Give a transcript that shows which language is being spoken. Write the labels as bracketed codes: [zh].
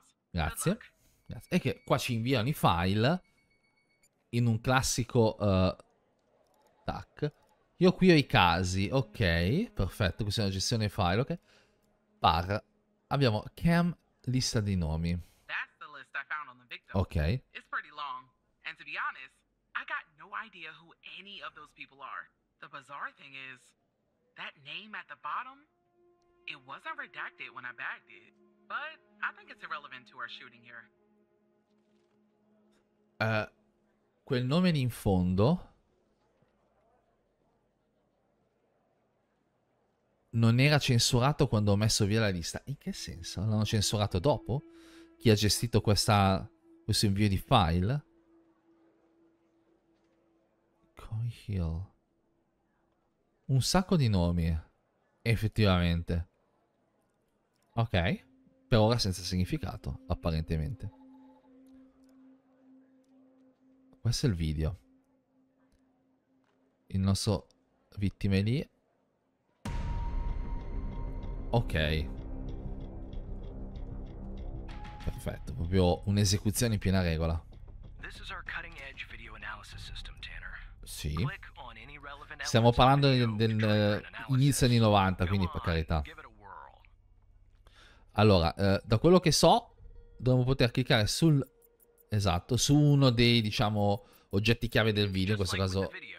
[it] Grazie. E che qua ci inviano i file in un classico... tac. Io qui ho i casi, ok, perfetto, questa è una gestione dei file, ok. Par. Abbiamo Cam, lista di nomi. [en] That's the list I found on the victim. [it] Ok. [en] It's pretty long. And to be honest, I got no idea who any of those people are. The bizarre thing is, that name at the bottom, it wasn't redacted when I bagged it. But I think it's irrelevant to our shooting here. [it] Quel nome in fondo non era censurato quando ho messo via la lista. In che senso? L'hanno censurato dopo? Chi ha gestito questo invio di file? Coyhill. Un sacco di nomi, effettivamente. Ok, per ora senza significato, apparentemente. Questo è il video. Il nostro vittima è lì. Ok, perfetto, proprio un'esecuzione in piena regola. [en] This is our cutting edge video analysis system, Tanner. [it] Sì, stiamo parlando dell'inizio anni 90, quindi per carità. Allora, da quello che so, dovremmo poter cliccare sul, esatto, su uno dei, diciamo, oggetti chiave del video, in questo caso...